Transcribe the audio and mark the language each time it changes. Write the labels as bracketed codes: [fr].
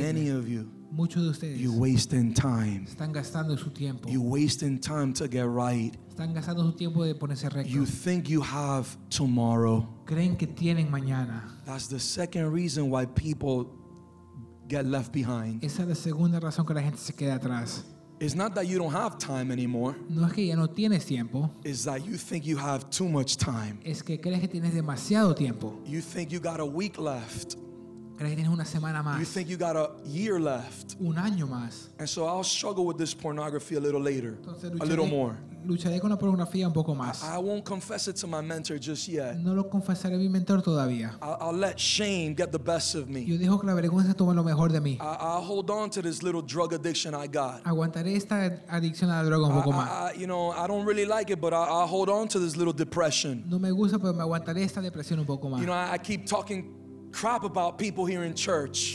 [en] Many of you. [es] Muchos de ustedes. [en] You wasting time. [es] Están gastando su tiempo. [en] You wasting time to get right. [es] Están gastando su tiempo de ponerse recto. [en] You think you have tomorrow. [es] Creen que tienen mañana. [en] That's the second reason why people get left behind. [es] Esa es la segunda razón que la gente se queda atrás. [en] It's not that you don't have time anymore. [es] No es que ya no tienes tiempo. [en] It's that you think you have too much time. [es] Es que crees que tienes demasiado tiempo. [en] You think you got a week left. [es] Crees que tienes una semana más. [en] You think you got a year left. [es] Un año más. [en] And so I'll struggle with this pornography a little later. [es] Entonces, [en] a little more. [es] Lucharé con la pornografía un poco más. [en] I won't confess it to my mentor just yet. [es] No lo confesaré a mi mentor todavía. [en] I'll let shame get the best of me. [es] Yo dejo que la vergüenza tome lo mejor de mí. [en] I'll hold on to this little drug addiction I got. [es] Aguantaré esta adicción a la droga un poco más. [en] You know, I don't really like it, but I'll hold on to this little depression. [es] No me gusta, pero me aguantaré esta depresión un poco más. [en] You know, I keep talking crap about people here in church.